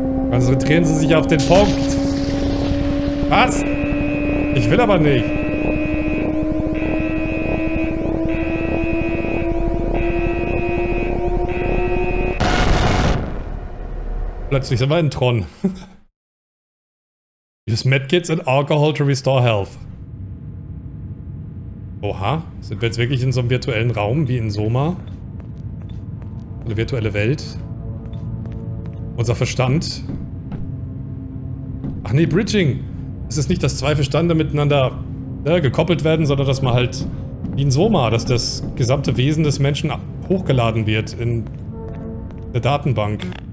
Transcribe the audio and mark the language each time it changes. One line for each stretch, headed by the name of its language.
German: Konzentrieren Sie sich auf den Punkt. Was? Ich will aber nicht. Plötzlich sind wir in Tron.
English: Use medkits and alcohol to restore health.
German: Oha, sind wir jetzt wirklich in so einem virtuellen Raum wie in Soma? Eine virtuelle Welt? Unser Verstand? Ach nee, Bridging! Es ist nicht, dass zwei Verstände miteinander gekoppelt werden, sondern dass man halt wie ein Soma, dass das gesamte Wesen des Menschen hochgeladen wird in eine Datenbank.